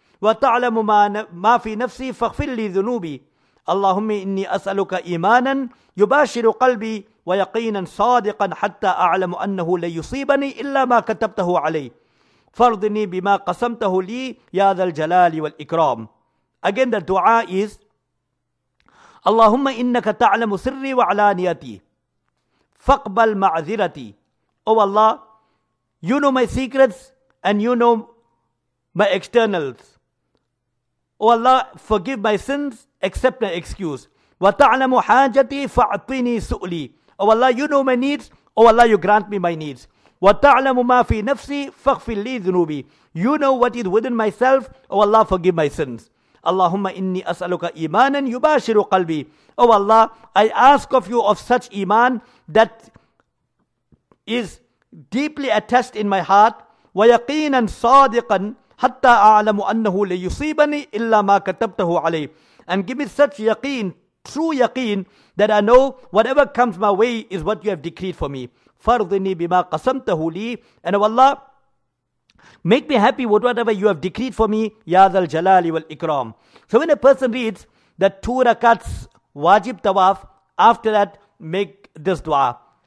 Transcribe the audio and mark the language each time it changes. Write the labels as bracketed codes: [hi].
[ar] وَتَعْلَمُ مَا فِي نَفْسِي فَغْفِرْ لِي ذُنُوبِي اللهم إني أسألك إيمانا يباشر قلبي ويقينا صادقا حتى أعلم أنه لن يصيبني إلا ما كتبته علي فارضني بما قسمته لي يا ذا الجلال والإكرام. Again, the dua is اللهم إنك تعلم سري وعلانيتي فاقبل معذرتي. [en] Oh Allah, you know my secrets and you know my externals. Oh Allah, forgive my sins, accept my excuse. [ar] وَتَعْلَمُ حَاجَتِي فَعْطِينِي سُؤْلِي. [en] Oh Allah, you know my needs. Oh Allah, you grant me my needs. [ar] وَتَعْلَمُ مَا فِي نَفْسِي فَغْفِرْ لِي ذُنُوبِي. [en] You know what is within myself. Oh Allah, forgive my sins. [ar] اللهم إني أسألك إيمانا يباشر قلبي. [en] Oh Allah, I ask of you of such iman that is deeply attached in my heart. [ar] وَيَقِينًا صَادِقًا حتى أعلم أنه ليصيبني إلا ما كتبته علي. [en] And give me such yaqeen, true yaqeen, that I know whatever comes my way is what you have decreed for me. [ar] فرضني بما قسمته لي. [en] And Allah, make me happy with whatever you have decreed for me. [ar] يا ذا الجلال والإكرام. [en] So when a person reads the two rakats wajib tawaf, after that make this dua.